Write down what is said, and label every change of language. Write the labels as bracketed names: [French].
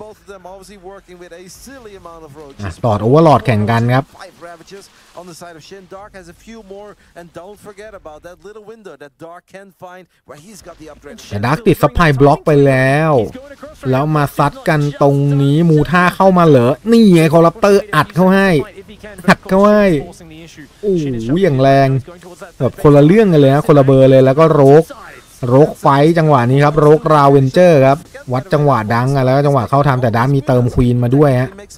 [English] Both of them obviously working with a silly amount of roaches. [Thai] ต่อโอเวอร์ลอร์ดแข่งกันครับ [English] Five ravages on the side of Shin. Dark has a few more, and don't forget about that little window that Dark can find where he's got the upgrade. [Thai] แต่ Dark ติดซัพพลายบล็อกไปแล้วแล้วมาซัดกันตรงนี้มูท่าเข้ามาเหรอนี่ไงคอร์รัปเตอร์อัดเข้าให้อัดเข้าให้โอ้ยอย่างแรงแบบคนละเรื่องกันเลยนะคนละเบอร์เลยแล้วก็รกไฟจังหวะนี้ครับรกราเวนเจอร์ครับวัดจังหวะดังแล้วจังหวะเข้าทำแต่ดาร์มีเติมควีนมาด้วยฮะ